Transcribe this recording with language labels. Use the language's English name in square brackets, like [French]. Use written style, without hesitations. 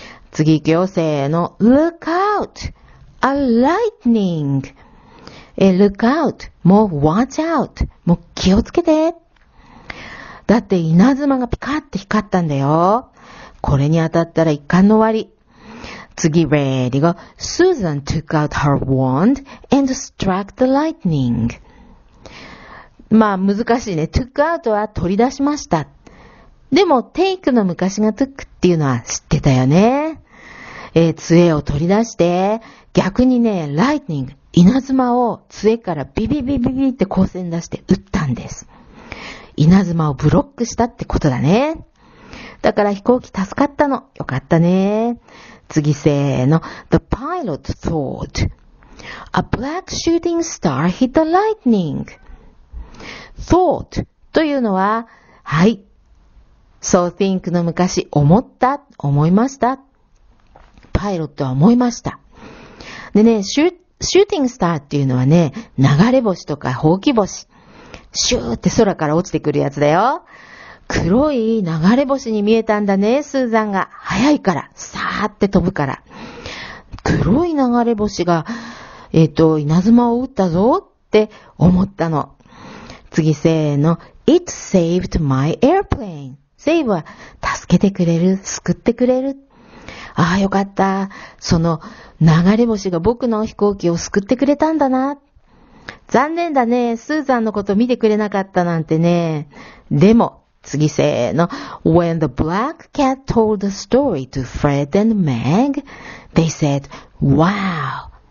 [Japanese] 次行くよ、せーの。 [English] Look out! A lightning! Look out! [Japanese] もう [English] watch out! [Japanese] もう気をつけて。だって稲妻がピカって光ったんだよ。これに当たったら一巻の終わり。次、 [English] ready go. Susan took out her wand and struck the lightning. [Japanese] まあ、難しいね。took out は取り出しました。でも、take の昔が took っていうのは知ってたよね。杖を取り出して、逆にね、lightning、稲妻を杖からビビビビビって光線出して撃ったんです。稲妻をブロックしたってことだね。だから飛行機助かったの。よかったね。次せーの。 [English] The pilot thought, a black shooting star hit the lightning. [Japanese] Thought というのは、はい。So think の昔、思った、思いました。パイロットは思いました。でね、shooting star っていうのはね、流れ星とかほうき星。シューって空から落ちてくるやつだよ。黒い流れ星に見えたんだね、スーザンが。早いから、さーって飛ぶから。黒い流れ星が、稲妻を撃ったぞって思ったの。次、せーの。 [English] It saved my airplane. [Japanese] Save は、助けてくれる、救ってくれる。ああ、よかった。その流れ星が僕の飛行機を救ってくれたんだな。残念だね、スーザンのこと見てくれなかったなんてね。でも、次せーの。 [English] When the black cat told the story to Fred and Meg, they said, wow!